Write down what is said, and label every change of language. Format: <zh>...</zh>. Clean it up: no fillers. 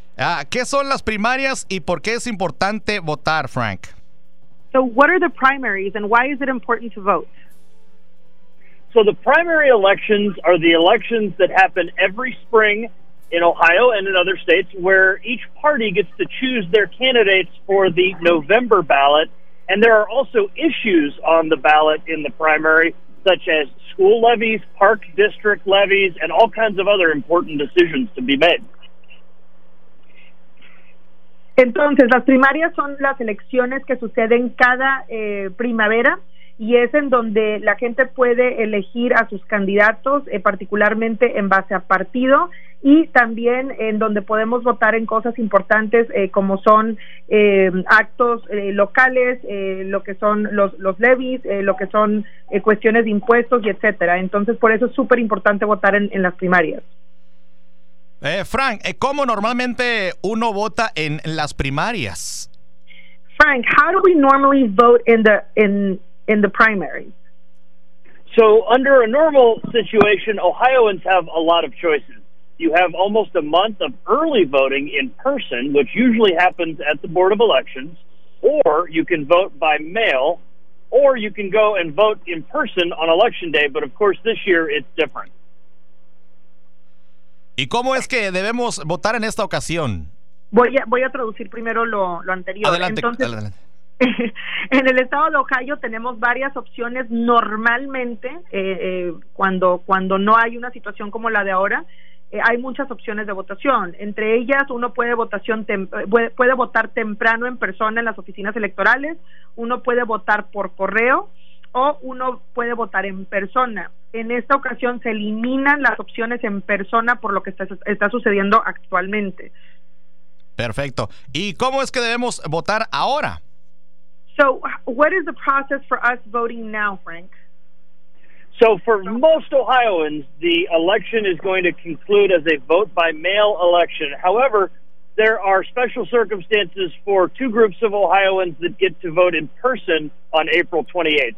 <es>¿Qué son las primarias y por qué es importante votar, Frank?</es> <en>So what are the primaries and why is it important to vote? So the primary elections are the elections that happen every spring in Ohio and in other states, where each party gets to choose their candidates for the November ballot. And there are also issues on the ballot in the primary, such as school levies, park district levies, and all kinds of other important decisions to be made.</en> <es>Entonces, las primarias son las elecciones que suceden cada primavera, y es en donde la gente puede elegir a sus candidatos, particularmente en base a partido, y también en donde podemos votar en cosas importantes como son actos locales, lo que son los levies, lo que son cuestiones de impuestos y etcétera. Entonces, por eso es súper importante votar en las primarias. Frank, ¿cómo normalmente uno vota en las primarias?</es> <en>Frank, how do we normally vote in the primaries? So, under a normal situation, Ohioans have a lot of choices. You have almost a month of early voting in person, which usually happens at the Board of Elections, or you can vote by mail, or you can go and vote in person on Election Day, but of course this year it's different.</en> <es>¿Y cómo es que debemos votar en esta ocasión? Voy a traducir primero lo anterior. Adelante. Entonces, adelante. En el estado de Ohio tenemos varias opciones. Normalmente, cuando no hay una situación como la de ahora, hay muchas opciones de votación. Entre ellas, uno puede votar temprano en persona en las oficinas electorales, uno puede votar por correo o uno puede votar en persona. En esta ocasión se eliminan las opciones en persona por lo que está sucediendo actualmente. Perfecto. ¿Y cómo es que debemos votar ahora?</es> <en>So, what is the process for us voting now, Frank? So, for most Ohioans, the election is going to conclude as a vote by mail election. However, there are special circumstances for two groups of Ohioans that get to vote in person on April 28th.</en>